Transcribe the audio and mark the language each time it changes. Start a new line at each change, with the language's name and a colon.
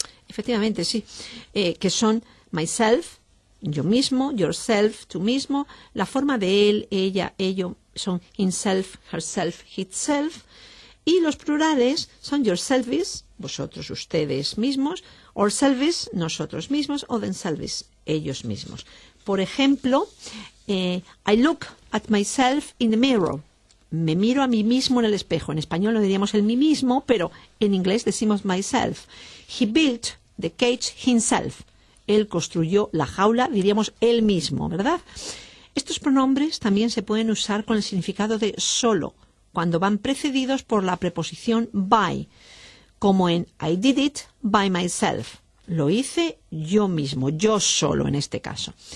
Spanish: Efectivamente, sí, que son myself, yo mismo, yourself, tú mismo, la forma de él, ella, ello, son himself, herself, itself, y los plurales son yourselves, vosotros, ustedes mismos, ourselves, nosotros mismos, o themselves, ellos mismos. Por ejemplo,
English: I look at myself in the mirror.
Spanish: Me miro a mí mismo en el espejo. En español no diríamos el mí mismo, pero en inglés decimos myself.
English: He built the cage himself.
Spanish: Él construyó la jaula, diríamos él mismo, ¿verdad? Estos pronombres también se pueden usar con el significado de solo, cuando van precedidos por la preposición by, como en
English: I did it by myself.
Spanish: Lo hice yo mismo, yo solo en este caso.